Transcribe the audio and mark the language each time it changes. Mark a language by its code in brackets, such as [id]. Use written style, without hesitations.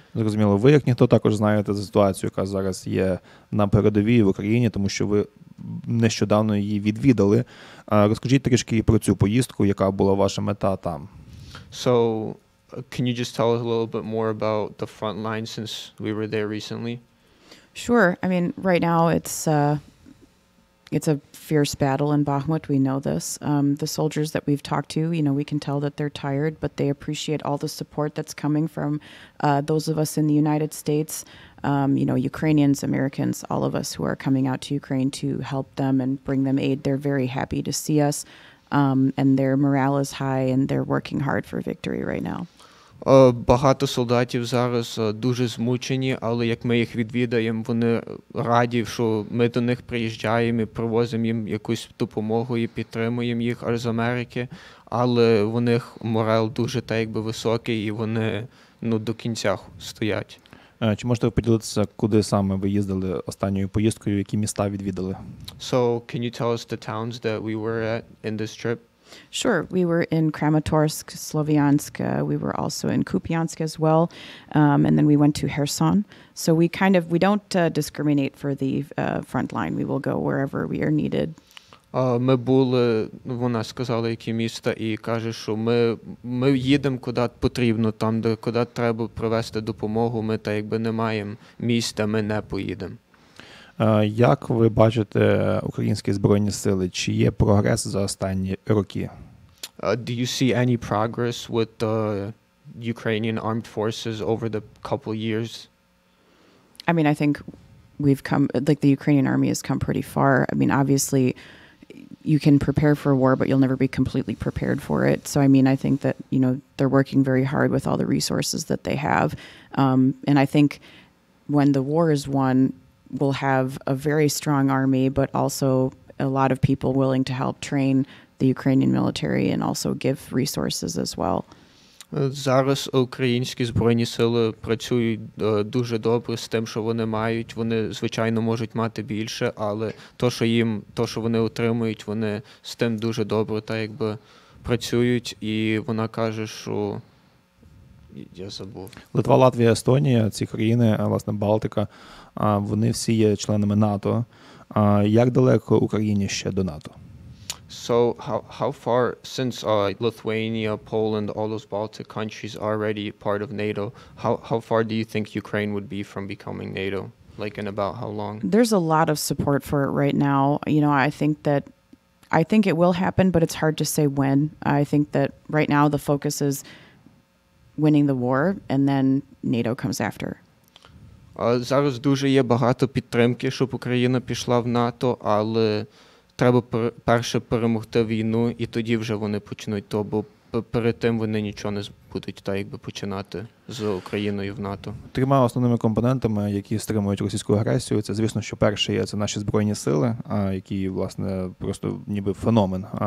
[uk] Зрозуміло. Ви, як ніхто, також знаєте за ситуацію, яка зараз є на передовій в Україні, тому що ви нещодавно її відвідали. Розкажіть трішки про цю поїздку, яка була ваша мета там. [en] So, can you just tell us a little bit more about the front line since we were there recently? Sure. I mean, right now it's It's a fierce battle in Bakhmut. We know this. The soldiers that we've talked to, you know, we can tell that they're tired, but they appreciate all the support that's coming from those of us in the United States, you know, Ukrainians, Americans, all of us who are coming out to Ukraine to help them and bring them aid. They're very happy to see us, and their morale is high, and they're working hard for victory right now. [uk] Багато солдатів зараз дуже змучені, але як ми їх відвідаємо, вони раді, що ми до них приїжджаємо і привозимо їм якусь допомогу і підтримуємо їх з Америки. Але в них морал дуже так якби високий, і вони до кінця стоять. Чи можете ви поділитися, куди саме ви їздили останньою поїздкою, які міста відвідали? [en] So, can you tell us the towns that we were at in this trip? Sure. We were in Kramatorsk, Slovyansk. We were also in Kupiansk as well. And then we went to Kherson. So we don't discriminate for the front line. We will go wherever we are needed. [uk] Ми були, вона сказала, які міста, і каже, що ми їдемо, куди потрібно, там, де куди треба привезти допомогу. Ми так якби не маємо міста, ми не поїдемо. Як ви бачите українські збройні сили? Чи є прогрес за останні роки? [en] Do you see any progress with the Ukrainian armed forces over the couple years? I mean, I think we've come, like the Ukrainian army has come pretty far. I mean, obviously you can prepare for war, but you'll never be completely prepared for it. So, I mean, I think that, you know, they're working very hard with all the resources that they have. And I think when the war is won, will have a very strong army, but also a lot of people willing to help train the Ukrainian military and also give resources as well. [uk] Зараз українські збройні сили працюють дуже добре з тим, що вони мають. Вони, звичайно, можуть мати більше, але то, що вони отримують, вони з тим дуже добре так якби працюють. І вона каже, що я забув. Литва, Латвія, Естонія, ці країни, власне, Балтика, вони всі є членами НАТО. Як далеко Україні ще до НАТО? [en] So how far since Lithuania, Poland, all those Baltic countries are already part of NATO, how far do you think Ukraine would be from becoming NATO? Like in about how long? There's a lot of support for it right now. You know, I think it will happen, but it's hard to say when. I think that right now the focus is winning the war and then NATO comes after. [uk] Зараз дуже є багато підтримки, щоб Україна пішла в НАТО, але треба перше перемогти війну, і тоді вже вони почнуть то, бо перед тим вони нічого не будуть так, якби починати з Україною в НАТО. Трьома основними компонентами, які стримують російську агресію, це, звісно, що перше є, це наші збройні сили, які, власне, просто ніби феномен.